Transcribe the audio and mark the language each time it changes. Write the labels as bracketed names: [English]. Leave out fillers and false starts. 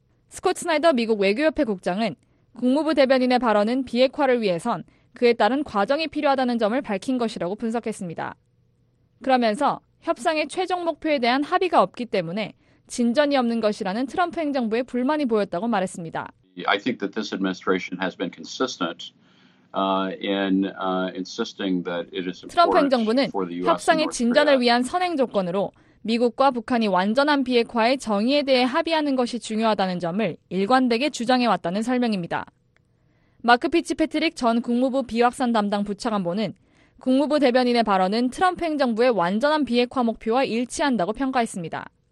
[Korean] 스콧 스나이더 미국 외교협회 국장은 국무부 대변인의 발언은 비핵화를 위해선 그에 따른 과정이 필요하다는 점을 밝힌 것이라고 분석했습니다. 그러면서 협상의 최종 목표에 대한 합의가 없기 때문에 진전이 없는 것이라는 트럼프 행정부의 불만이 보였다고 말했습니다. [English] I think that this administration has been consistent in insisting that it is important for the U.S. [Korean] 협상의 진전을 위한 선행 조건으로 미국과 북한이 완전한 비핵화의 정의에 대해 합의하는 것이 중요하다는 점을 일관되게 주장해 왔다는 설명입니다. 마크 피츠패트릭 전 국무부 비확산 담당 부차관보는 국무부 대변인의 발언은 트럼프 행정부의 완전한 비핵화 목표와 일치한다고 평가했습니다.